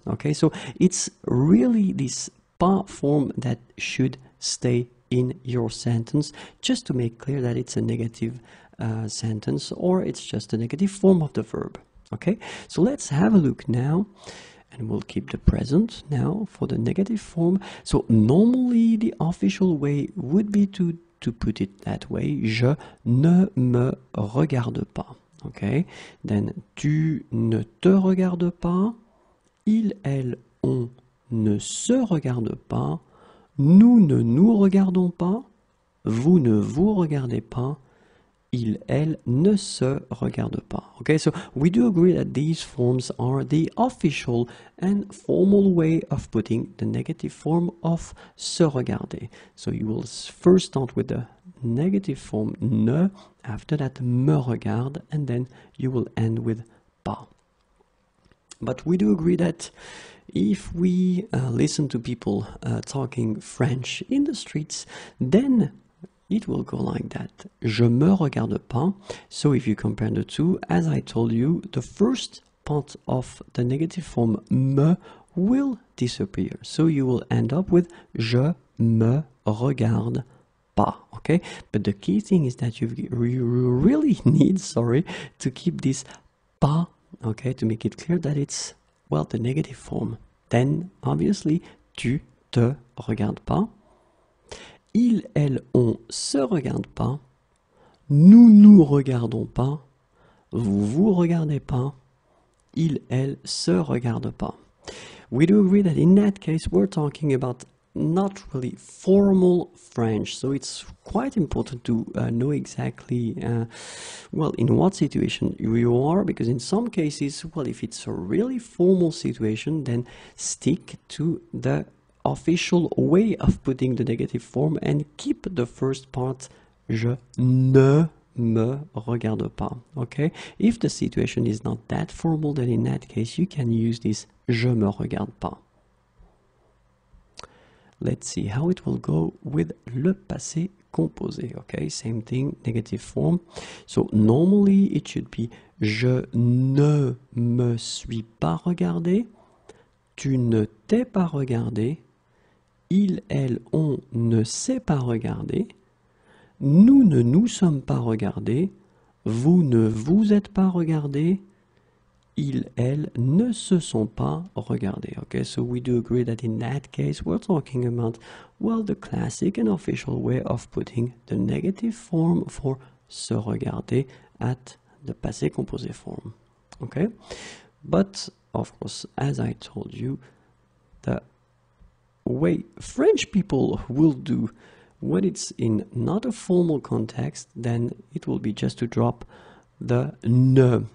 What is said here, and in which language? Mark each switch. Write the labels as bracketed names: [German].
[English] Okay, so it's really this pas form that should stay in your sentence, just to make clear that it's a negative sentence or it's just a negative form of the verb. Okay, so let's have a look now. And we'll keep the present now for the negative form. So normally the official way would be to put it that way. [French] Je ne me regarde pas. Okay. Then tu ne te regardes pas. Il, elle, on ne se regarde pas. Nous ne nous regardons pas. Vous ne vous regardez pas. Il, elle, ne se regarde pas. [English] Okay, so we do agree that these forms are the official and formal way of putting the negative form of se regarder. So you will first start with the negative form ne, after that me regarde, and then you will end with pas. But we do agree that if we listen to people talking French in the streets, then it will go like that. [French] Je me regarde pas. [English] So if you compare the two, as I told you, the first part of the negative form me will disappear. So you will end up with [French] je me regarde pas. [English] Okay? But the key thing is that you really need to keep this pas, okay, to make it clear that it's, well, the negative form. Then obviously [French] tu te regardes pas. Il, elle, on se regarde pas. Nous, nous regardons pas. Vous, vous regardez pas. Il, elle, se regarde pas. [English] We do agree that in that case we're talking about not really formal French. So it's quite important to know exactly, well, in what situation you are, because in some cases, well, if it's a really formal situation, then stick to the official way of putting the negative form and keep the first part, [French] je ne me regarde pas. [English] Okay, if the situation is not that formal, then in that case you can use this [French] je me regarde pas. [English] Let's see how it will go with le passé composé. Okay, same thing, negative form. So normally it should be [French] je ne me suis pas regardé, tu ne t'es pas regardé. Il, elle, on ne s'est pas regardé. Nous ne nous sommes pas regardés. Vous ne vous êtes pas regardés. Ils, elles ne se sont pas regardés. [English] Okay, so we do agree that in that case we're talking about, well, the classic and official way of putting the negative form for se regarder at the passé composé form. Okay, but of course, as I told you, the way French people will do when it's in not a formal context, then it will be just to drop the ne.